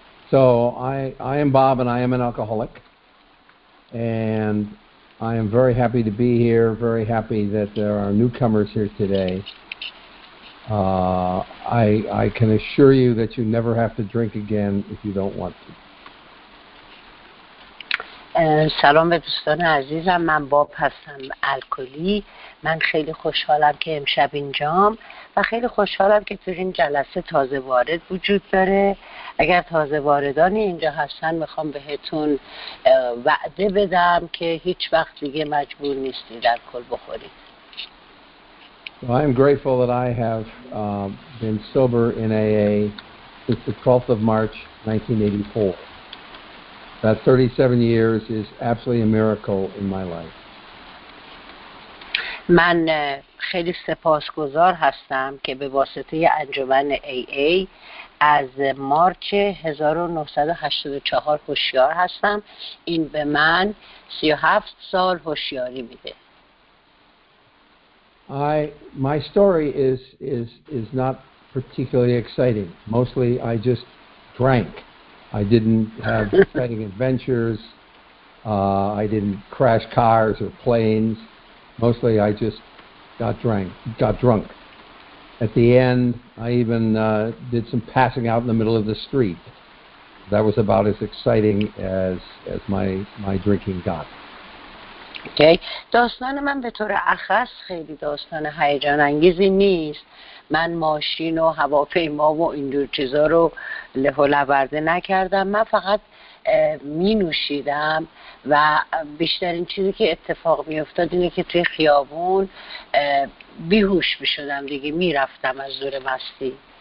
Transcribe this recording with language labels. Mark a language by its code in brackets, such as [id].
[en] So I am Bob, and I am an alcoholic, and I am very happy to be here, very happy that there are newcomers here today. I can assure you that you never have to drink again if you don't want to. [fa] سلام به دوستان عزیزم، من باب هستم الکلی. من خیلی خوشحالم که امشب اینجام و خیلی خوشحالم که تو این جلسه تازه وارد وجود داره. اگر تازه واردانی اینجا هستن میخوام بهتون وعده بدم که هیچ وقت دیگه مجبور نیستید الکل بخورید. [en] Well, I'm grateful that I have been sober in AA since the 12th of March 1984. That 37 years is absolutely a miracle in my life. [fa] من خیلی سپاسگزار هستم که به واسطه انجمن AA از مارچ 1984 هوشیار هستم. این به من 37 سال هوشیاری میده. [en] My story is not particularly exciting. Mostly I just drank. I didn't have exciting adventures. I didn't crash cars or planes. Mostly I just got drunk. At the end, I even did some passing out in the middle of the street. That was about as exciting as my drinking got. Okay. [fa] داستان من به طور اخص خیلی داستان هیجان انگیزی نیست. من ماشین و هواپیما و اینجور چیزا رو له و لورده نکردم. من فقط می نوشیدم و بیشترین چیزی که اتفاق می افتاد اینه که توی خیابون بیهوش می شدم دیگه، می رفتم از زور مستی.